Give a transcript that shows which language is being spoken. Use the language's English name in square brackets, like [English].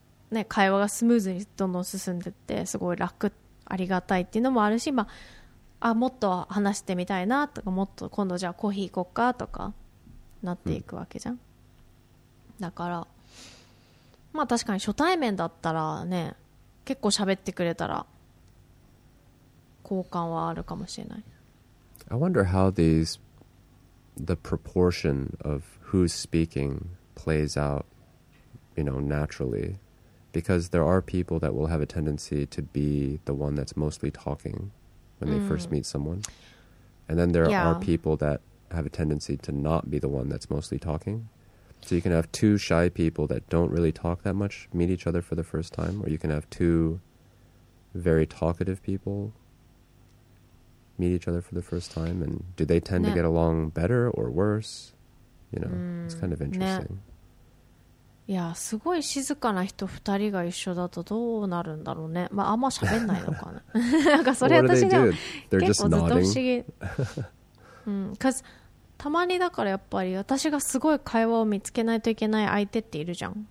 [Japanese] ね、会話がスムーズにどんどん進んでってすごい楽、ありがたいっていうのもあるし、まあ、あもっと話してみたいなとか、もっと今度じゃあコーヒー行こっかとかなっていくわけじゃん、うん、だからまあ確かに初対面だったらね、結構喋ってくれたら好感はあるかもしれない。 [English] I wonder how the proportion of who's speaking plays out, you know, naturally. Because there are people that will have a tendency to be the one that's mostly talking when they first meet someone. And then there are people that have a tendency to not be the one that's mostly talking. So you can have two shy people that don't really talk that much meet each other for the first time. Or you can have two very talkative people... meet each other for the first time, and do they tend、 [Japanese] ね、 [English] to get along better or worse? You know, it's kind of interesting.、 [Japanese] ね、いや、すごい静かな人2人が一緒だとどうなるんだろうね。まあ、あんま喋んないのかな。なんかそれ私が結構ずっと不思議。 [English] Because [Japanese] たまにだからやっぱり私がすごい会話を見つけないといけない相手っているじゃん。